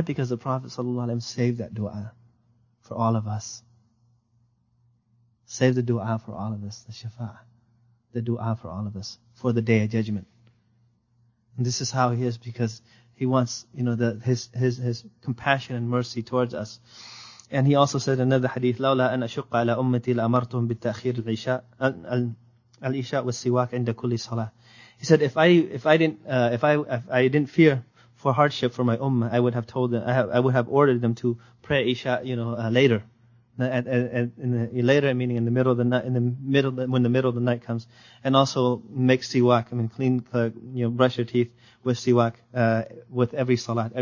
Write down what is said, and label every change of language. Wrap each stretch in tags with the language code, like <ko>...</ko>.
<en>Because the Prophet ﷺ saved that dua for all of us. Saved the dua for all of us, the shafa'ah. The dua for all of us, for the day of judgment. And this is how he is, because he wants, you know, his compassion and mercy towards us. And he also said another hadith,</en> <ar>لَوْلَا أَنْ أَشُقَّ عَلَىٰ أُمَّتِي لَأَمَرْتُهُمْ بِالتَّأْخِيرِ الْعِشَاءِ وَالسِّوَاكِ عِنْدَ كُلِّ صَلَاةِ.</ar> <en>He said, if I didn't fear for hardship for my ummah, I would have told them, I would have ordered them to pray Isha, you know, later. Meaning in the middle of the night, when the middle of the night comes. And also make siwak, I mean, clean, brush your teeth with siwak, with every salat.</en>